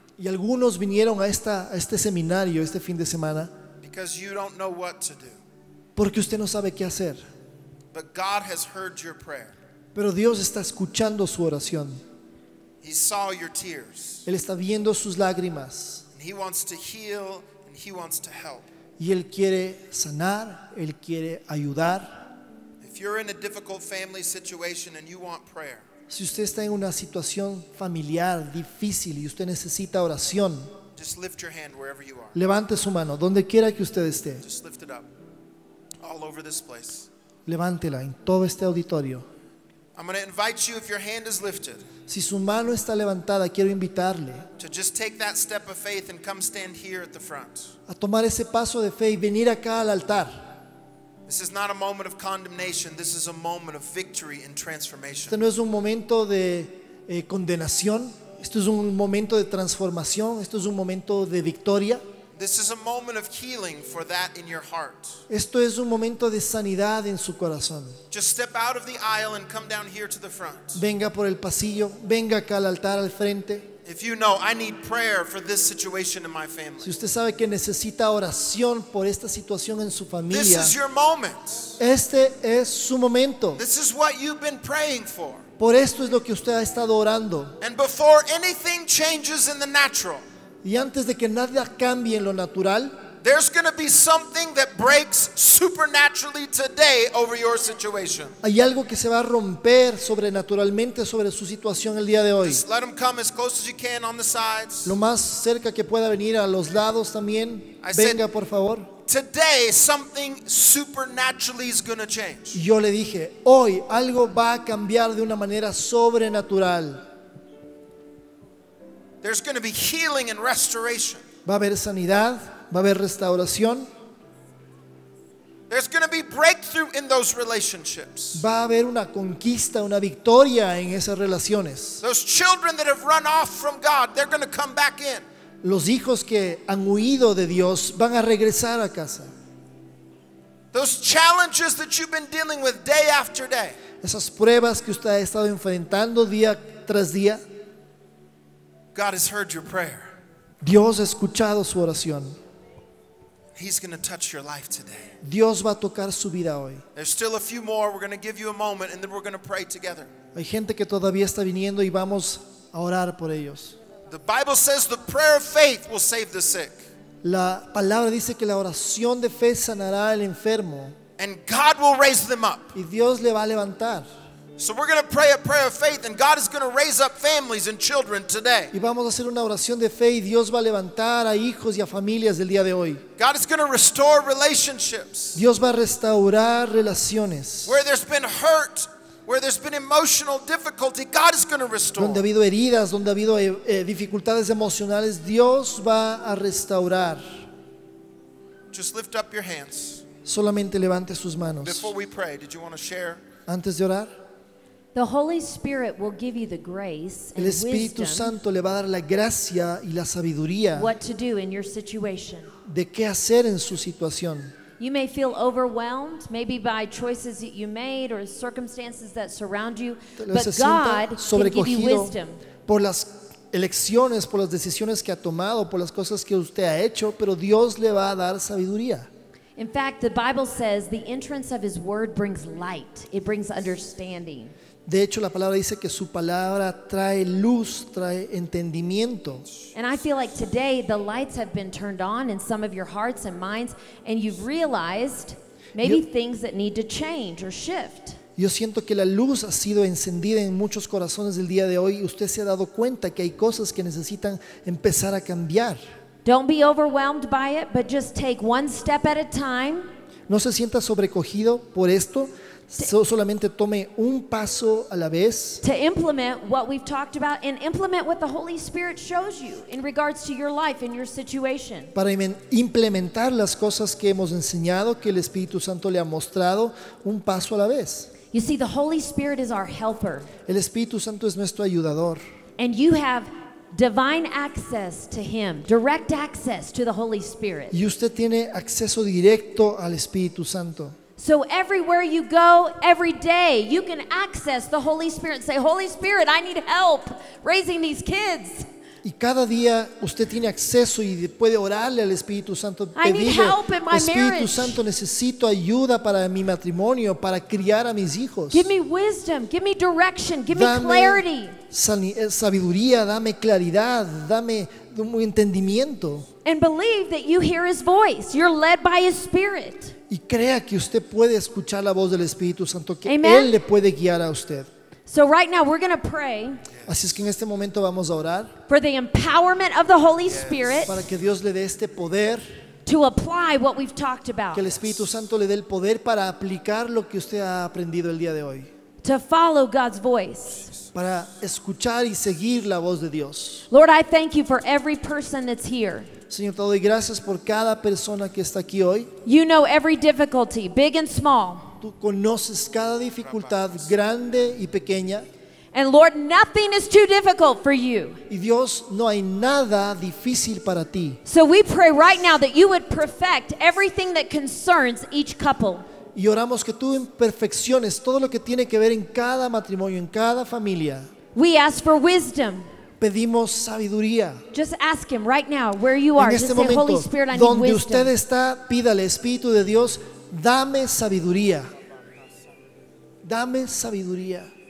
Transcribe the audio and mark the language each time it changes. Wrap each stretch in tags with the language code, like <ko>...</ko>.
<es>Y algunos vinieron a este seminario este fin de semana.</es> <en>Because you don't know what to do.</en> <es>Porque usted no sabe qué hacer.</es> <en>But God has heard your prayer.</en> <es>Pero Dios está escuchando su oración.</es> <en>He saw your tears.</en> <es>Él está viendo sus lágrimas.</es> <en>And he wants to heal and he wants to help.</en> <es>Y él quiere sanar, él quiere ayudar.</es> <en>If you're in a difficult family situation and you want prayer.</en> <es>Si usted está en una situación familiar difícil y usted necesita oración.</es> <en>Just lift your hand wherever you are.</en> <es>Levante su mano donde quiera que usted esté.</es> <en>Just lift it up. All over this place.</en> <es>Levántela en todo este auditorio.</es> <en>I'm going to invite you if your hand is lifted.</en> <es>Si su mano está levantada, quiero invitarle.</es> <en>To just take that step of faith and come stand here at the front.</en> <es>A tomar ese paso de fe y venir acá al altar.</es> <en>This is not a moment of condemnation. This is a moment of victory and transformation.</en> <es>Este no es un momento de condenación. Esto es un momento de transformación. Esto es un momento de victoria.</es> <en>This is a moment of healing for that in your heart.</en> <es>Esto es un momento de sanidad en su corazón.</es> <en>Just step out of the aisle and come down here to the front.</en> <es>Venga por el pasillo. Venga acá al altar al frente.</es> <en>If you know, I need prayer for this situation in my family.</en> <es>Si usted sabe que necesita oración por esta situación en su familia.</es> <en>This is your moment.</en> <es>Este es su momento.</es> <en>This is what you've been praying for.</en> <es>Por esto es lo que usted ha estado orando.</es> <en>And before anything changes in the natural,</en> <es>y antes de que nada cambie en lo natural,</es> <en>there's going to be something that breaks supernaturally today over your situation.</en> <es>Hay algo que se va a romper sobrenaturalmente sobre su situación el día de hoy.</es> <en>Just let him come as close as you can on the sides.</en> <es>Lo más cerca que pueda venir a los lados también. Venga, por favor.</es> <en>Today something supernaturally is going to change.</en> <es>Yo le dije, hoy algo va a cambiar de una manera sobrenatural.</es> <en>There's going to be healing and restoration.</en> <es>Va a haber sanidad. Va a haber restauración.</es> <en>There's going to be breakthrough in those relationships.</en> <es>Va a haber una conquista, una victoria en esas relaciones.</es> <en>Those children that have run off from God, they're going to come back in.</en> <es>Los hijos que han huido de Dios van a regresar a casa.</es> <en>Those challenges that you've been dealing with day after day.</en> <es>Esas pruebas que usted ha estado enfrentando día tras día.</es> <en>God has heard your prayer.</en> <es>Dios ha escuchado su oración.</es> <en>He's going to touch your life today.</en> <es>Dios va a tocar su vida hoy.</es> <en>There's still a few more. We're going to give you a moment and then we're going to pray together.</en> <es>Hay gente que todavía está viniendo y vamos a orar por ellos.</es> <en>The Bible says the prayer of faith will save the sick.</en> <es>La palabra dice que la oración de fe sanará al enfermo.</es> <en>And God will raise them up.</en> <es>Y Dios le va a levantar.</es> <en>So we're going to pray a prayer of faith and God is going to raise up families and children today.</en> <es>Y vamos a hacer una oración de fe y Dios va a levantar a hijos y a familias del día de hoy.</es> <en>God is going to restore relationships.</en> <es>Dios va a restaurar relaciones.</es> <en>Where there's been hurt, where there's been emotional difficulty, God is going to restore.</en> <es>Donde ha habido heridas, donde ha habido dificultades emocionales, Dios va a restaurar.</es> <en>Just lift up your hands.</en> <es>Solamente levante sus manos.</es> <en>Before we pray, did you want to share?</en> <es>Antes de orar.</es> <en>The Holy Spirit will give you the grace and</en> <es>el Espíritu</es> <en>wisdom</en> <es>Santo le va a dar la gracia y la sabiduría</es> <en>what to do in your situation.</en> <es>De qué hacer en su situación.</es> <en>You may feel overwhelmed, maybe by choices that you made or circumstances that surround you, but God can give you wisdom.</en> <es>Por las elecciones, por las decisiones que ha tomado, por las cosas que usted ha hecho, pero Dios le va a dar sabiduría.</es> <en>In fact, the Bible says the entrance of His Word brings light. It brings understanding.</en> <es>De hecho, la palabra dice que su palabra trae luz, trae entendimiento.</es> <en>And I feel like today the lights have been turned on in some of your hearts and minds, and you've realized maybe things that need to change or shift.</en> <es>Yo siento que la luz ha sido encendida en muchos corazones del día de hoy y usted se ha dado cuenta que hay cosas que necesitan empezar a cambiar.</es> <en>Don't be overwhelmed by it, but just take one step at a time.</en> <es>No se sienta sobrecogido por esto. Solamente tome un paso a la vez.</es> <en>To implement what we've talked about and implement what the Holy Spirit shows you in regards to your life and your situation.</en> <es>Para implementar las cosas que hemos enseñado, que el Espíritu Santo le ha mostrado, un paso a la vez.</es> <en>You see, the Holy Spirit is our helper.</en> <es>El Espíritu Santo es nuestro ayudador.</es> <en>And you have divine access to Him, direct access to the Holy Spirit.</en> <es>Y usted tiene acceso directo al Espíritu Santo.</es> <en>So everywhere you go, every day, you can access the Holy Spirit. Say, Holy Spirit, I need help raising these kids.</en> <es>Y cada día usted tiene acceso y puede orarle al Espíritu Santo.</es> <en>I need help in my marriage.</en> <es>Espíritu Santo, necesito ayuda para mi matrimonio, para criar a mis hijos.</es> <en>Give me wisdom, give me direction, give me clarity.</en> <es>Dame sabiduría, dame claridad, dame un entendimiento.</es> <en>And believe that you hear His voice. You're led by His Spirit.</en> <es>Y crea que usted puede escuchar la voz del Espíritu Santo, que Amen. Él le puede guiar a usted.</es> <en>So right now we're going to pray.</en> <es>Así es que en este momento vamos a orar.</es> <en>For the empowerment of the Holy Spirit.</en> <es>Para que Dios le dé este poder.</es> <en>To apply what we've talked about.</en> <es>Que el Espíritu Santo le dé el poder para aplicar lo que usted ha aprendido el día de hoy.</es> <en>To follow God's voice.</en> <es>Para escuchar y seguir la voz de Dios.</es> <en>Lord, I thank you for every person that's here.</en> <es>Señor, te doy gracias por cada persona que está aquí hoy.</es> <en>You know every difficulty, big and small.</en> <es>Tú conoces cada dificultad, grande y pequeña.</es> <en>And Lord, nothing is too difficult for you.</en> <es>Y Dios, no hay nada difícil para ti.</es> <en>So we pray right now that you would perfect everything that concerns each couple.</en> <es>Y oramos que tú perfecciones todo lo que tiene que ver en cada matrimonio, en cada familia.</es> <en>We ask for wisdom.</en> <es>Pedimos sabiduría.</es> <en>Just ask Him right now where you are.</en> <es>En este</es> <en>Just</en> <es>momento,</es> <en>say, Holy Spirit, I need</en> <es>donde</es> <en>wisdom.</en> <es>Usted está, pídale, Espíritu de Dios, dame sabiduría. Dame sabiduría.</es>